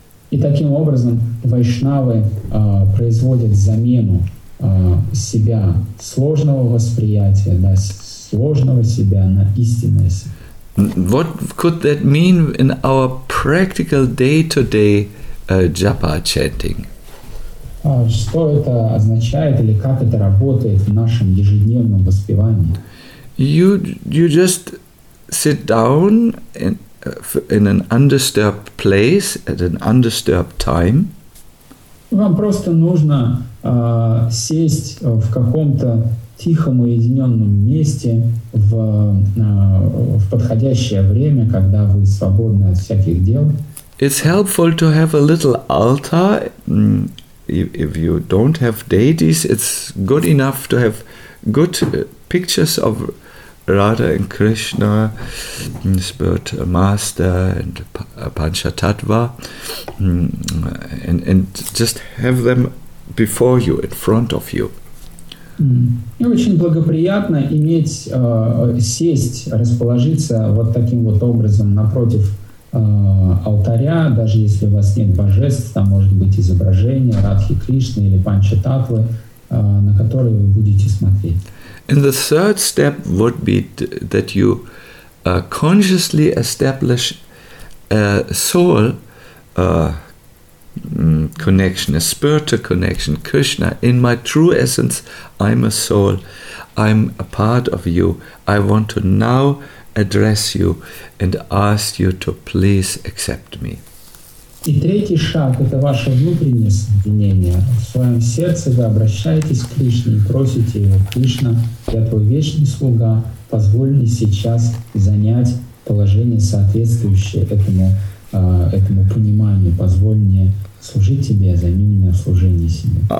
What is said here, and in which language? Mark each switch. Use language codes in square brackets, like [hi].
[ru] И таким образом вайшнавы производят замену себя сложного восприятия, да, сложного себя на истинное себя. [en] What could that mean in our practical day-to-day japa chanting? [ru] Что это означает или как это работает в нашем ежедневном воспевании? [en] You just sit down in an undisturbed place at an undisturbed time. [ru] Вам просто нужно сесть в каком-то тихом уединенном месте в подходящее время, когда вы свободны от всяких дел. [en] It's helpful to have a little altar. If you don't have deities, it's good enough to have good pictures of Radha and Krishna, Spirit Master and Panchatattva, and just have them before you, in front of you. [ru] И очень благоприятно иметь сесть, расположиться вот таким вот образом напротив алтаря, даже если у вас нет божеств, там может быть изображение Радхи Кришны или Панчататвы, на которые вы будете смотреть. [en] And the third step would be that you consciously establish a soul connection, a spiritual connection. Krishna, in my true essence, I'm a soul. I'm a part of you. I want to now address you and ask you to please accept me. [ru] И третий шаг – это ваше внутреннее соединение. В своем сердце вы обращаетесь к Кришне и просите его: «Кришна, я твой вечный слуга, позволь мне сейчас занять положение, соответствующее этому пониманию, позволь мне служить тебе, займи меня в служении себе».